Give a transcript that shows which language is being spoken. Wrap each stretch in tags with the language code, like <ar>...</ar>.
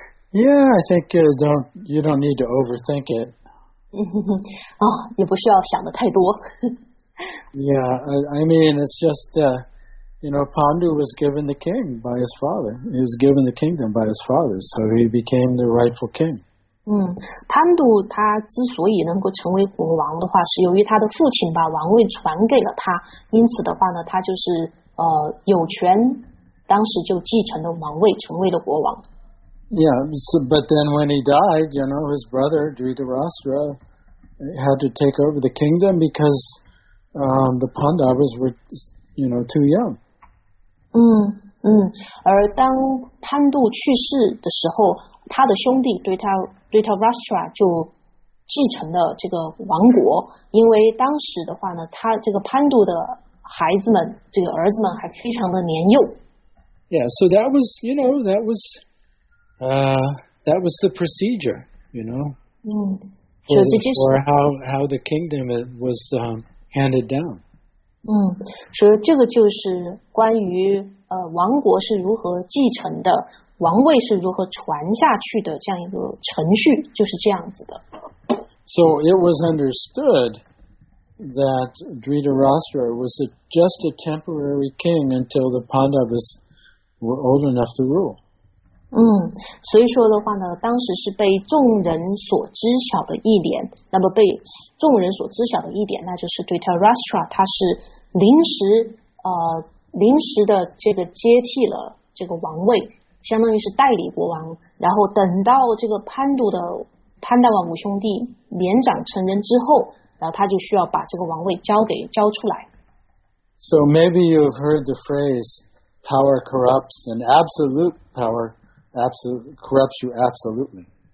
<en>Yeah, I think you don't need to overthink it.</en> <zh>也不需要想得太多。</zh> <en>Yeah, I mean, it's just... You know, Pandu was given the king by his father. He was given the kingdom by his father, so he became the rightful king.</en> <zh>Pandu, 他之所以能够成为国王的话，是由于他的父亲把王位传给了他，因此的话呢，他就是有权，当时就继承了王位，成为了国王。</zh> <en>But then when he died, you know, his brother Dhritarashtra had to take over the kingdom because the Pandavas were... You know, too young.</en> <zh>而当潘度去世的时候，他的兄弟Dhritarashtra 就继承了这个王国，因为当时的话呢，他这个潘度的孩子们，这个儿子们还非常的年幼。</zh> <en>Yeah, so that was, you know, that was the procedure, you know. For how the kingdom was handed down.</en> <zh>所以这个就是关于王国是如何继承的，王位是如何传下去的这样一个程序就是这样子的。</zh> <en>So it was understood that Dhritarashtra was just a temporary king until the Pandavas were old enough to rule.</en> <zh>所以说的话呢，当时是被众人所知晓的一点，那么被众人所知晓的一点，那就是 Dhritarashtra 他是临时的这个接替了这个王位，相当于是代理国王，然后等到这个潘达瓦五兄弟年长成人之后，然后他就需要把这个王位交出来。</zh> <en>So maybe you've heard the phrase power corrupts and absolute power corrupts you absolutely.</en>